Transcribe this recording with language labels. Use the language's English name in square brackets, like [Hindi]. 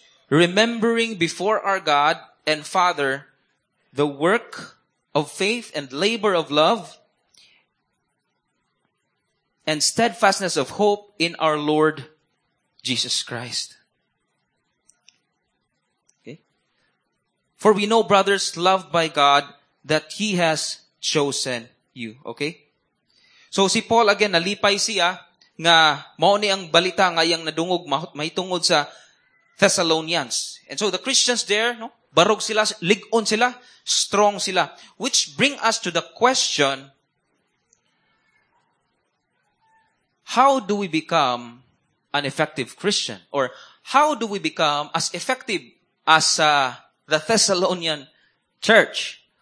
[English] Remembering before our God and Father the work of faith and labor of love and steadfastness of hope in our Lord Jesus Christ. Okay? For we know, brothers, loved by God, that He has chosen you. Okay? [Cebuano] So si Paul again, nalipay siya nga mao ni ang balita nga iyang nadungog mahitungod sa Thessalonians. [English] And so the Christians there, [Cebuano] no, barog sila, ligon sila, strong sila. [English] Which bring us to the question, how do we become an effective Christian? Or how do we become as effective as the Thessalonian church?